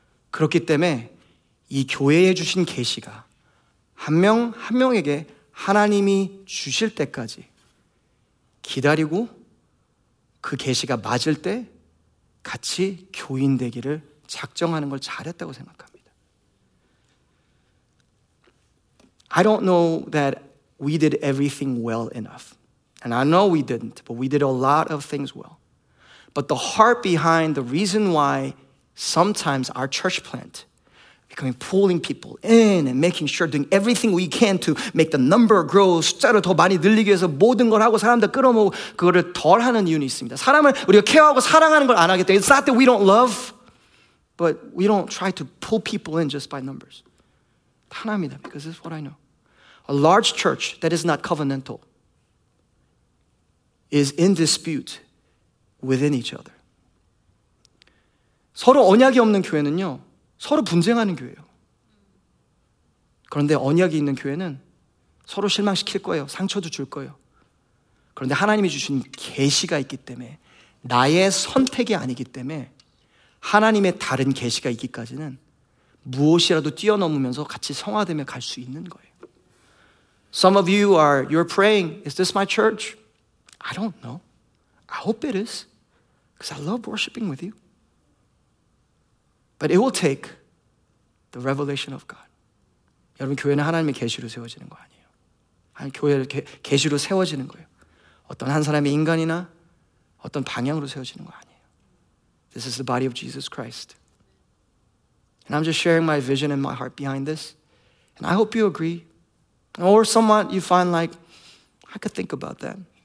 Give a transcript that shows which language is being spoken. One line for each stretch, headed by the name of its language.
Korean: 그렇기 때문에 이 교회에 주신 계시가 한 명 한 명에게 하나님이 주실 때까지 기다리고 그 계시가 맞을 때 같이 교인 되기를 작정하는 걸 잘했다고 생각합니다.
English: I don't know that we did everything well enough. And I know we didn't, but we did a lot of things well. But the heart behind the reason why sometimes our church plant becoming pulling people in and making sure doing everything we can to make the number grow
Korean: 숫자를 더 많이 늘리기 위해서 모든 걸 하고 사람들 끌어모으고 그거를 덜 하는 이유는 있습니다. 사람을 우리가 케어하고 사랑하는 걸 안 하기 때문에
English: It's not that we don't love but we don't try to pull people in just by numbers.
Korean: 하나입니다.
English: Because this is what I know. A large church that is not covenantal is in dispute within each other.
Korean: 서로 언약이 없는 교회는요, 서로 분쟁하는 교회예요. 그런데 언약이 있는 교회는 서로 실망시킬 거예요. 상처도 줄 거예요. 그런데 하나님이 주신 계시가 있기 때문에, 나의 선택이 아니기 때문에 하나님의 다른 계시가 있기까지는 무엇이라도 뛰어넘으면서 같이 성화되며 갈 수 있는 거예요.
English: Some of you are, you're praying, is this my church? I don't know. I hope it is. Because I love worshiping with you. But it will take the revelation of God.
Korean: 여러분, 교회는 하나님의 계시로 세워지는 거 아니에요. 하나님 교회를 계시로 세워지는 거예요. 어떤 한 사람의 인간이나 어떤 방향으로 세워지는 거 아니에요.
English: This is the body of Jesus Christ. And I'm just sharing my vision and my heart behind this. And I hope you agree. Or someone you find like, I could think about that.